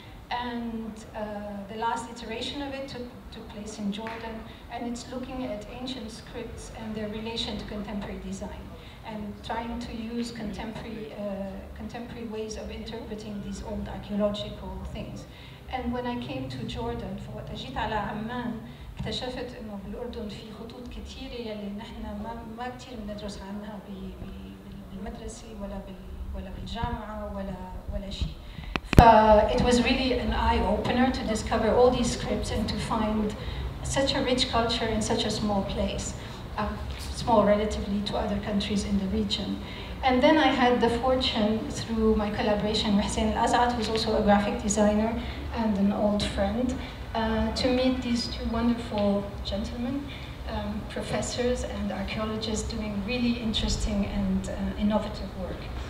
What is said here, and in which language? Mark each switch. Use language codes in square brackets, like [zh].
[en] And the last iteration of it took place in Jordan, and it's looking at ancient scripts and their relation to contemporary design, and trying to use contemporary ways of interpreting these old archaeological things. And when I came to Jordan, [ar] فوقت جيت على عمان اكتشفت إنه بالأردن في خطوط كتيرة يلي نحنا ما كتير مندرس عنها بالمدرسة ولا بالجامعة ولا شيء. [en] It was really an eye-opener to discover all these scripts and to find such a rich culture in such a small place, small relatively to other countries in the region. And then I had the fortune through my collaboration with Hussein Al-Az'at, who's also a graphic designer and an old friend, to meet these two wonderful gentlemen, professors and archaeologists doing really interesting and innovative work.